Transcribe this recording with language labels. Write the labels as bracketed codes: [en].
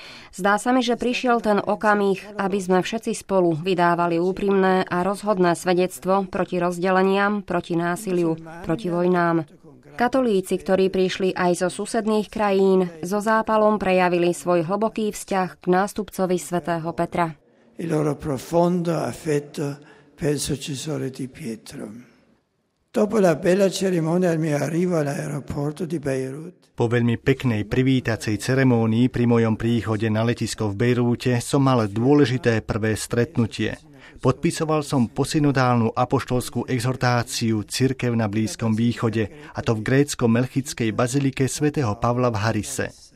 [sk] Zdá sa mi, že prišiel ten okamih, aby sme všetci spolu vydávali úprimné a rozhodné svedectvo proti rozdeleniam, proti násiliu, proti vojnám. Katolíci, ktorí prišli aj zo susedných krajín, so zápalom prejavili svoj hlboký vzťah k nástupcovi svätého Petra. [it] Il loro profondo affetto per il successore di Pietro. Dopo la bella cerimonia al mio arrivo all'aeroporto di Beirut. [sk] Po veľmi peknej privítacej ceremónii pri mojom príchode na letisko v Bejrúte som mal dôležité prvé stretnutie. Podpisoval som posynodálnu apoštolskú exhortáciu Cirkev na Blízkom východe, a to v grécko-melchickej bazilike svätého Pavla v Harise.